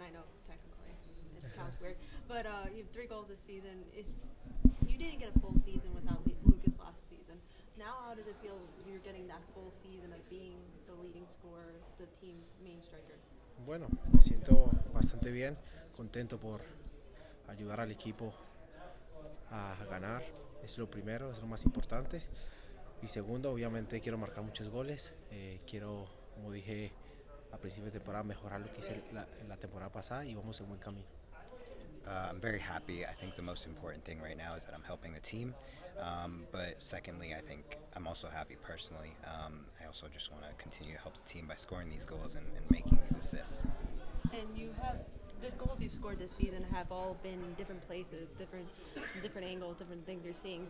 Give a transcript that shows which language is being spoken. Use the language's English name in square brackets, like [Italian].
[English] I know technically it counts weird, but you have three goals this season. You didn't get a full season without Lucas last season. Now how does it feel you're getting that full season of being the leading scorer, the team's main striker? [Spanish] Bueno, me siento bastante bien, contento por ayudar al equipo a ganar. Es lo primero, es lo más importante. Y segundo, obviamente quiero marcar muchos goles. Quiero, como dije a principio de temporada, mejorar lo que hice la temporada pasada y vamos en buen camino. [English] I'm very happy. I think the most important thing right now is that I'm helping the team. But secondly, I think I'm also happy personally. I also just want to continue to help the team by scoring these goals and making these assists. And you have the goals you've scored this season have all been different places, different angles, different things you're seeing.